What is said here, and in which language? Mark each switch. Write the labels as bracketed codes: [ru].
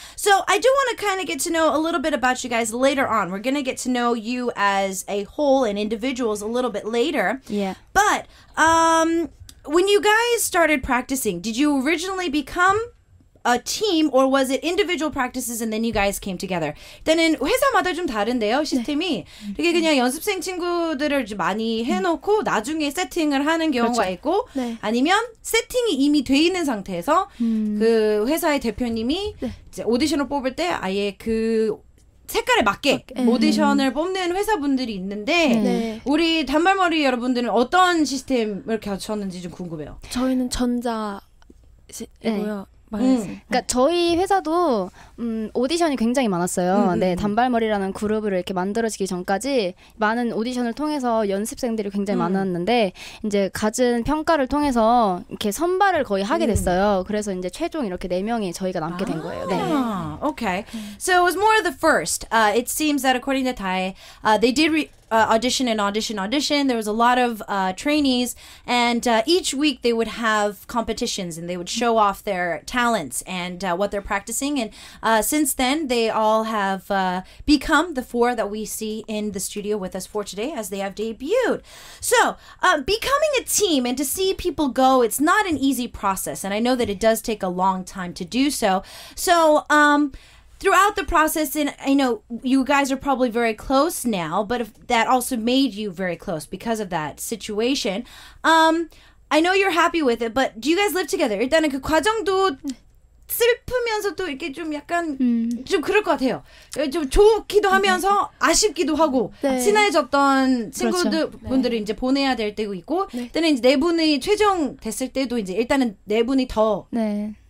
[en] So I do want to kind of get to know a little bit about you guys later on. We're going to get to know you as a whole and individuals a little bit later. Yeah. But when you guys started practicing, did you originally become a team or was it individual practices and then you guys came together? [ko] 일단은 회사마다 좀 다른데요, 시스템이. 네. 이게 그냥 연습생 친구들을 많이 해놓고 나중에 세팅을 하는 경우가 그렇죠. 있고 네. 아니면 세팅이 이미 돼 있는 상태에서 그 회사의 대표님이 네. 이제 오디션을 뽑을 때 아예 그 색깔에 맞게 오디션을 뽑는 회사분들이 있는데 네. 우리 단발머리 여러분들은 어떤 시스템을 갖췄는지 좀 궁금해요. 저희는 전자이고요. 그러니까 저희 회사도 오디션이 굉장히 많았어요. 네, 단발머리라는 그룹을 이렇게 만들어지기 전까지 많은 오디션을 통해서 연습생들이 굉장히 많았는데 이제 가진 평가를 통해서 이렇게 선발을 거의 하게 됐어요. 그래서 이제 최종 이렇게 네 명이 저희가 남게 된 거예요. 네. [en] Okay. So it was more of the first. It seems that according to Tae, they did audition and audition, audition. There was a lot of trainees, and each week they would have competitions and they would show off their talents and what they're practicing. And since then, they all have become the four that we see in the studio with us for today as they have debuted. So becoming a team and to see people go, it's not an easy process. And I know that it does take a long time to do so. So, throughout the process, and I know you guys are probably very close now, but that also made you very close because of that situation. I know you're happy with it, but do you guys live together? [ko] 일단은 그 과정도 슬프면서도 이렇게 좀 약간 좀 그럴 것 같아요. 좀 좋기도 하면서 아쉽기도 하고 네. 친해졌던 친구분들을 네. 이제 보내야 될 때도 있고 네. 일단은 이제 네 분이 최종 됐을 때도 이제 일단은 네 분이 더 네.